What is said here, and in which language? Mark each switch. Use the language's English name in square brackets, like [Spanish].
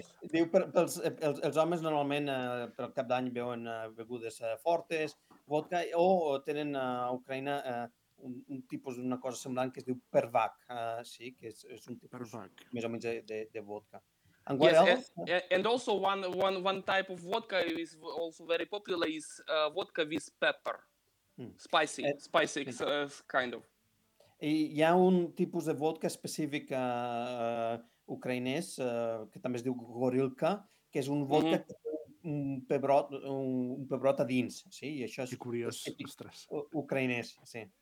[Catalan] Diu, els homes normalment pel cap d'any beuen begudes fortes, vodka, o tenen a Ucraïna un tipus d'una cosa semblant que es diu pervak, sí, que és un tipus pervak, més o menys de vodka. [English] And what else? And also one type of vodka is also very popular is vodka with pepper. Spicy kind of. [Catalan] I hi ha un tipus de vodka específic ucraïnès que també es diu gorilka, que és un vodka que té un pebrot a dins, sí, i això és curiós, ostres. Ucraïnès, sí.